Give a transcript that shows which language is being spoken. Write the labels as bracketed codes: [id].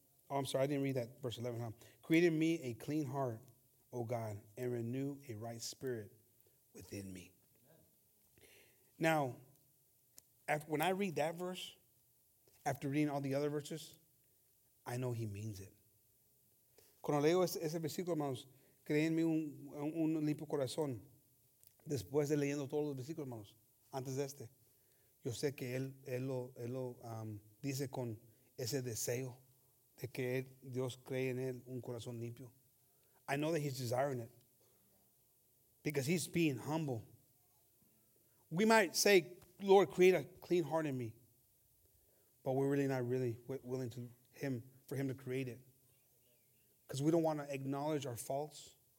[en] Oh, I'm sorry, I didn't read that verse 11. Huh? Create in me a clean heart, O God, and renew a right spirit within me. Now, when I read that verse, after reading all the other verses, I know he means it. [es] Cuando leo ese versículo, hermanos, creé en mí un limpio corazón. Después de leyendo todos los versículos, hermanos, antes de este, yo sé que él lo dice con ese deseo de que Dios cree en él un corazón limpio. [en] I know that he's desiring it because he's being humble. We might say, Lord, create a clean heart in me, but we're really not really willing for him to create it, because we don't want to acknowledge our faults.